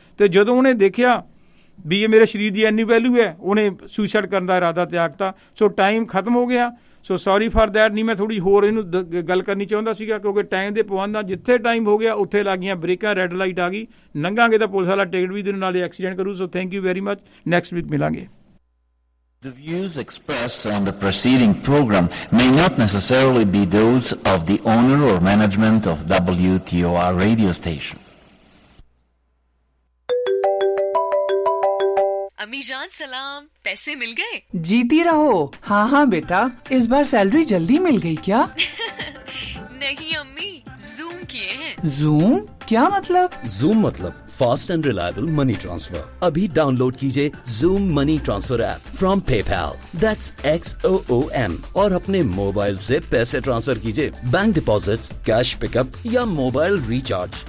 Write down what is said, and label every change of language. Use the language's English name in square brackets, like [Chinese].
[Punjabi] ਅਤੇ ਜਦੋਂ ਉਹਨੇ ਦੇਖਿਆ ਵੀ ਇਹ ਮੇਰੇ ਸਰੀਰ ਦੀ ਇੰਨੀ ਵੈਲਿਊ ਹੈ, ਉਹਨੇ ਸੁਈਸਾਈਡ ਕਰਨ ਦਾ ਇਰਾਦਾ ਤਿਆਗਤਾ। ਸੋ ਟਾਈਮ ਖਤਮ ਹੋ ਗਿਆ, [English] so sorry for that, [Punjabi] ਨਹੀਂ ਮੈਂ ਥੋੜ੍ਹੀ ਹੋਰ ਇਹਨੂੰ ਗੱਲ ਕਰਨੀ ਚਾਹੁੰਦਾ ਸੀਗਾ, ਕਿਉਂਕਿ ਟਾਈਮ ਦੇ ਪਾਬੰਦਾਂ, ਜਿੱਥੇ ਟਾਈਮ ਹੋ ਗਿਆ ਉੱਥੇ ਲੱਗ ਗਈਆਂ ਬ੍ਰੇਕਾਂ, ਰੈੱਡ ਲਾਈਟ ਆ ਗਈ, ਲੰਘਾਂਗੇ ਤਾਂ ਪੁਲਿਸ ਵਾਲਾ ਟਿਕਟ ਵੀ ਦੇਣ, ਨਾਲੇ ਐਕਸੀਡੈਂਟ ਕਰੂ। [English] so thank you very much, next week [Punjabi] ਮਿਲਾਂਗੇ। [English] The views expressed on the preceding program may not necessarily be those of the owner or management of WTOR radio station. [Hindi] अम्मी जान सलाम, पैसे मिल गए? जीती रहो। हाँ हाँ बेटा, इस बार सैलरी जल्दी मिल गई क्या? नहीं अम्मी, जूम किए हैं। जूम? क्या मतलब? जूम मतलब [English] Fast and reliable money transfer. [Hindi] अभी डाउनलोड कीजिए zoom money transfer app from PayPal, [English] that's XOOM, [Hindi] और अपने मोबाइल से पैसे ट्रांसफर कीजिए, बैंक डिपॉजिट्स, कैश पिकअप या मोबाइल रिचार्ज।